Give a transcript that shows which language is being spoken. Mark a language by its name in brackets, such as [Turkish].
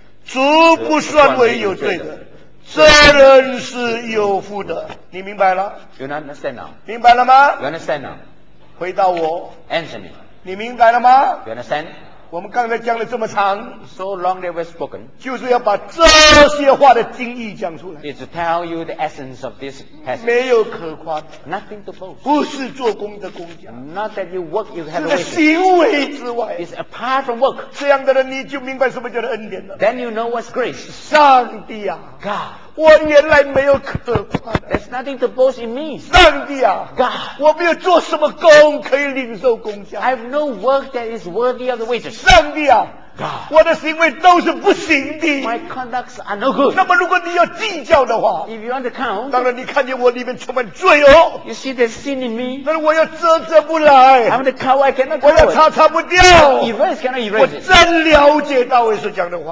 [Chinese] 主不算为有罪的，这人是有福的。你明白了？ [English] You understand now? [Chinese] 明白了吗？ [English] You understand now? [Chinese] 回答我。 [English] Answer me. [Chinese] 你明白了吗？ [English] You understand? [Chinese] 我们刚才讲了这么长。 [English] So long they were spoken. [Chinese] 就是要把这些话的经义讲出来。 [English] It's to tell you the essence of this passage. [Chinese] 没有可夸的。 [English] Nothing to boast. [Chinese] 不是做工的工匠。 [English] Not that you work, you have to work. [Chinese] 是行为之外。 [English] It's apart from work. [Chinese] 这样的人你就明白什么叫做恩典了。 [English] Then you know what's grace. [Chinese] 上帝啊。 [English] God. [Chinese] 我原来没有可夸的。 [English] There's nothing to boast in me. [Chinese] 上帝啊 [English] ，God， [Chinese] 我没有做什么工可以领受工价。 [English] I have no work that is worthy of the wages. [Chinese] 上帝啊 [English] ，God， [Chinese] 我的行为都是不行的。 [English] My conducts are no good. [Chinese] 那么如果你要计较的话 [English] ，If you want to count， [Chinese] 当然你看见我里面充满罪哦。 [English] You see there's sin in me. [Chinese] 那我要遮遮不来。 [English] I'm the coward, I cannot cover. [Chinese] 我要擦擦不掉。 [English] Erase cannot erase. [Chinese] 我真了解大卫所讲的话。